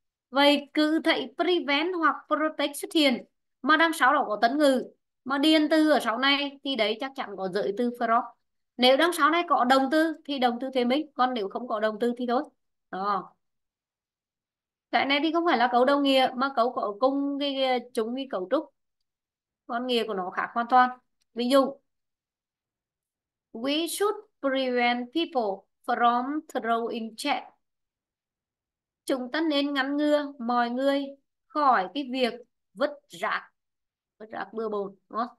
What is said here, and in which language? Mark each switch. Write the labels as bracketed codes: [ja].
[vi] Vậy cứ thấy prevent hoặc protect xuất hiện mà đằng sau đó có tấn ngữ mà điền từ ở sau này thì đấy chắc chắn có giới từ from. Nếu đằng sau này có động từ thì động từ thêm ích, còn nếu không có động từ thì thôi. Đó. Cái này thì không phải là cấu đồng nghĩa mà cấu có cùng cái chung cái cấu trúc. Con nghĩa của nó khác hoàn toàn. Ví dụ [en] we should prevent people from throwing chairs. [vi] Chúng ta nên ngăn ngừa mọi người khỏi cái việc vứt rác. Vứt rác bừa bộn, đúng không?